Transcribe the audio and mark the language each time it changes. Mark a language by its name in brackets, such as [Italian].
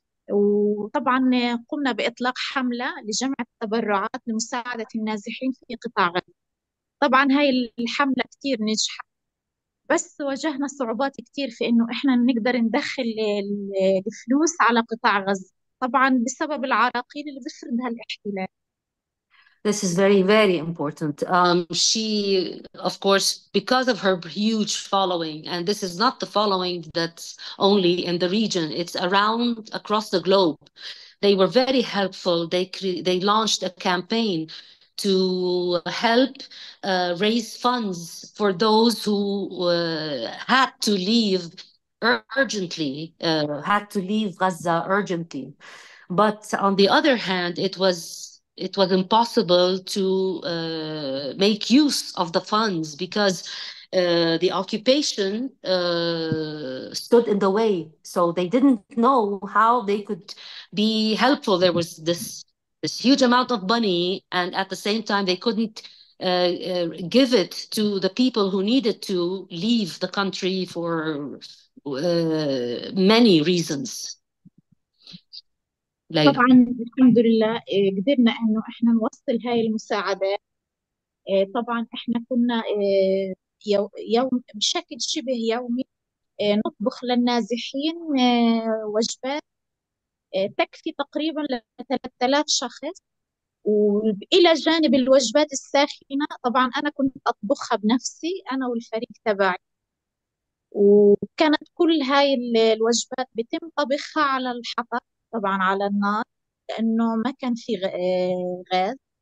[Arabic] وطبعا قمنا بإطلاق حملة لجمع التبرعات لمساعدة النازحين في قطاع غزة. طبعا هاي الحملة كتير نجحت، بس واجهنا صعوبات كتير في إنه إحنا نقدر ندخل الفلوس على قطاع غزة، طبعا بسبب العراقيل اللي بيفرضها الاحتلال. [English] This is very, very important. She, of course, because of her huge following, and this is not the following that's only in the region, it's around across the globe. They were very helpful. They launched a campaign to help raise funds for those who had to leave urgently, had to leave Gaza urgently. But on the other hand, it was impossible to make use of the funds because the occupation stood in the way. So they didn't know how they could be helpful. There was this huge amount of money, and at the same time, they couldn't give it to the people who needed to leave the country for many reasons. [Arabic] ليلى طبعا الحمد لله قدرنا انه احنا نوصل هاي المساعدات. طبعا احنا كنا يوم بشكل شبه يومي نطبخ للنازحين وجبات تكفي تقريبا ل 3000 شخص، والى جانب الوجبات الساخنة طبعا انا كنت اطبخها بنفسي انا والفريق تبعي، وكانت كل هاي الوجبات بتم طبخها على الحطب طبعا على النار لأنه ما كان في غاز.